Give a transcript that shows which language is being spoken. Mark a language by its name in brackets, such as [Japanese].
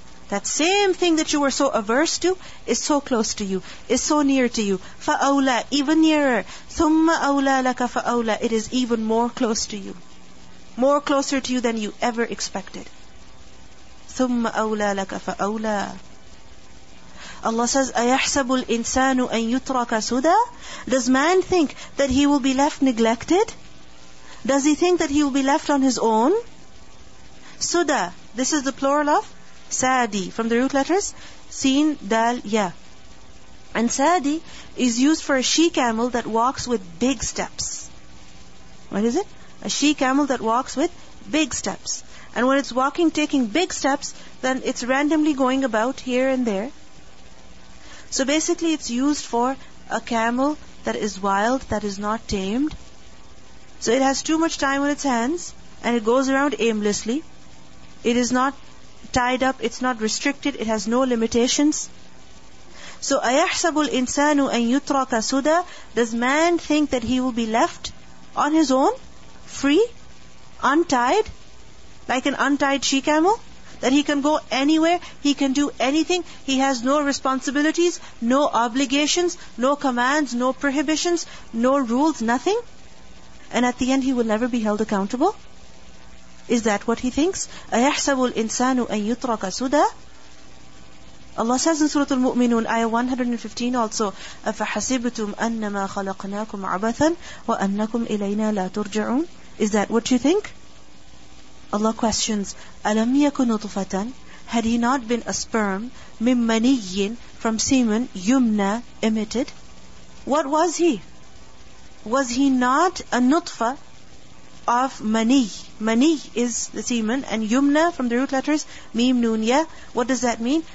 [English] That same thing that you were so averse to is so close to you, is so near to you. فَأَوْلَى, even nearer. [Arabic] ثُمَّ أَوْلَى لَكَ فَأَوْلَى. [English] It is even more close to you. More closer to you than you ever expected. [Arabic] ثُمَّ أَوْلَى لَكَ فَأَوْلَى. [English] Allah says, [Arabic] أَيَحْسَبُ الْإِنسَانُ أَن يُتْرَكَ سُدَى. [English] Does man think that he will be left neglected? Does he think that he will be left on his own? Suda, this is the plural of Sadi, from the root letters Sin, Dal, Ya. And Sadi is used for a she-camel that walks with big steps. What is it? A she-camel that walks with big steps. And when it's walking, taking big steps, then it's randomly going about here and there. So basically it's used for a camel that is wild, that is not tamed. So it has too much time on its hands, and it goes around aimlessly. It is not tied up, it's not restricted, it has no limitations. [Arabic] So, أَيَحْسَبُ الْإِنسَانُ أَن يُتْرَكَ سُدَى. [English] Does man think that he will be left on his own, free, untied, like an untied she-camel? That he can go anywhere, he can do anything, he has no responsibilities, no obligations, no commands, no prohibitions, no rules, nothing? And at the end he will never be held accountable? Is that what he thinks? [Arabic] أَيَحْسَبُ الْإِنسَانُ أَن يُتْرَكَ سُدَى. [English] Allah says in Surah Al-Mu'minun, Ayah 115 also, [Arabic] أَفَحَسِبْتُمْ أَنَّمَا خَلَقْنَاكُمْ عَبَثًا وَأَنَّكُمْ إِلَيْنَا لَا تُرْجَعُونَ. [English] Is that what you think? Allah questions, [Arabic] أَلَمْ يَكُنْ نُطْفَةً. [English] Had he not been a sperm, [Arabic] مِمْ مَنِيٍّ, [English] from semen, يُمْنَى, emitted? What was he? Was he not a nutfa of mani? Mani is the semen, and yumna from the root letters mim nun ya. What does that mean?